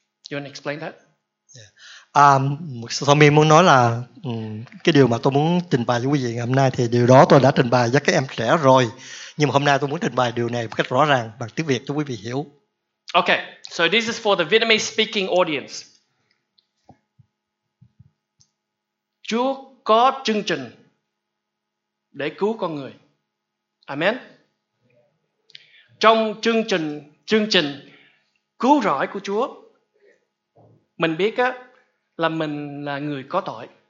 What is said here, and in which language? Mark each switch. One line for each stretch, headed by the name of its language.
English: You want to explain that?
Vietnamese: Tommy muốn nói là cái điều mà tôi muốn trình bày cho quý vị ngày hôm nay thì điều đó tôi đã trình bày với các em trẻ rồi, nhưng mà hôm nay tôi muốn trình bày điều này một cách rõ ràng bằng tiếng Việt cho quý vị hiểu.
English: Okay, so this is for the Vietnamese speaking audience.
Vietnamese: Chúa có chương trình để cứu con người. Amen. Trong chương trình cứu rỗi của Chúa, mình biết á là mình là người có tội.